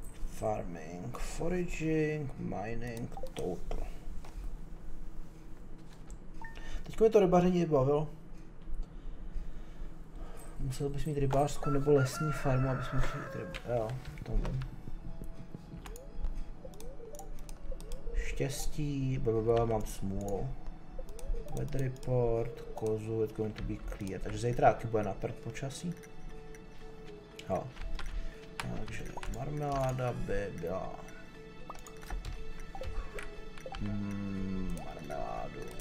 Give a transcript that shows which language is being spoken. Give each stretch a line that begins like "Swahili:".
English: Farming, foraging, mining, total.
Czech: Teď mi to rybaření bavilo. Musel bys mít rybářskou nebo lesní farmu, abys mohl mít rybu. Jo, to vím. Štěstí, blablabla, mám smůlu.
English: Weather report, kozu, it's going to be clear.
Czech: Takže zítra taky bude na prd počasí. Jo. Takže marmeláda by byla... marmeládu.